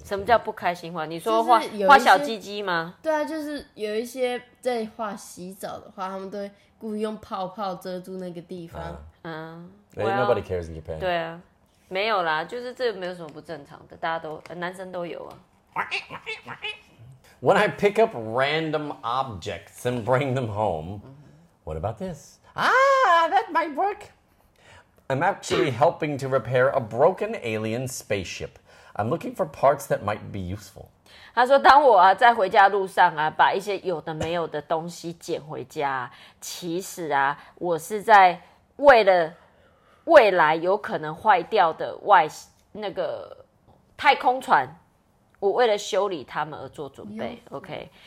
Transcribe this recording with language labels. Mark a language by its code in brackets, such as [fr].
[zh] 什么叫不开心画你说画、就是、小鸡鸡吗对啊就是有一些在画洗澡的话他们都会故意用泡泡遮住那个地方、 [en] Well, nobody cares in Japan [zh] 对啊没有啦就是这没有什么不正常的大家都、男生都有啊 [en] When I pick up random objects and bring them home, what about this? Ah, that might work. I'm actually helping to repair a broken alien spaceship. I'm looking for parts that might be useful. [zh] 他说当我、啊、在回家路上、啊、把一些有的没有的东西捡回家其实、啊、我是在为了未来有可能坏掉的外那个太空船我为了修理他们而做准备 ，OK。